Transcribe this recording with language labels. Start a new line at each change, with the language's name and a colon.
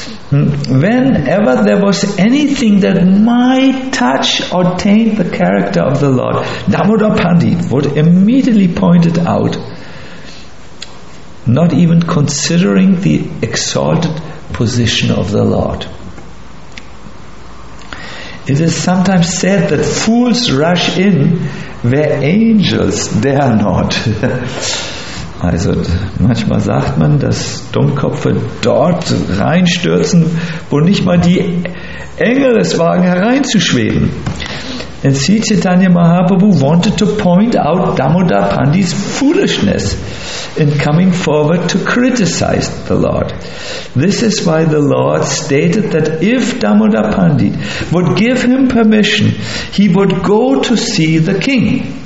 English: Whenever there was anything that might touch or taint the character of the Lord, Damodar Pandit would immediately point it out, not even considering the exalted position of the Lord. It is sometimes said that fools rush in where angels dare not.
German: Also, manchmal sagt man, dass Dummköpfe dort reinstürzen, wo nicht mal die Engel es wagen, hereinzuschweben.
English: And Sri Chaitanya Mahaprabhu wanted to point out Damodar Pandit's foolishness in coming forward to criticize the Lord. This is why the Lord stated that if Damodar Pandit would give him permission, he would go to see the king.